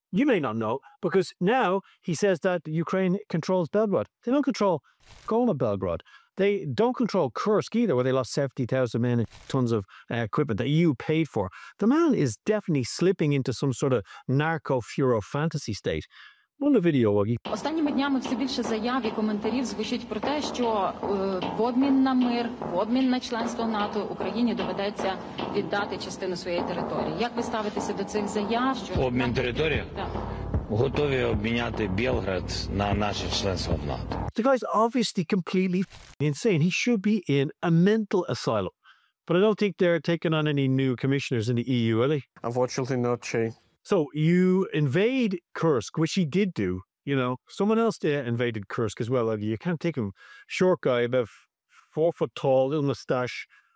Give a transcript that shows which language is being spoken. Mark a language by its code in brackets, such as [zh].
[en] You may not know, because now he says that Ukraine controls Belgorod. They don't control Goma Belgorod. They don't control Kursk either, where they lost 70,000 men and tons of equipment that you paid for. The man is definitely slipping into some sort of narco-furo fantasy state. Run the video, Oggy. [uk] Останніми днями все більше заяв і коментарів звучить про те, що в обмін на мир, в обмін на членство НАТО, Україні доведеться віддати частину своєї території. Як ви ставитеся до цих заяв? Що обмін території? Так. Готові обміняти Білград на наше членство в НАТО. [en] The guy's obviously completely insane. He should be in a mental asylum. But I don't think they're taking on any new commissioners in the EU, are they? Unfortunately not, Shane. So you invade Kursk, which he did do, you know. Someone else there invaded Kursk as well. You can't take him. Short guy, about 4 foot tall, little moustache.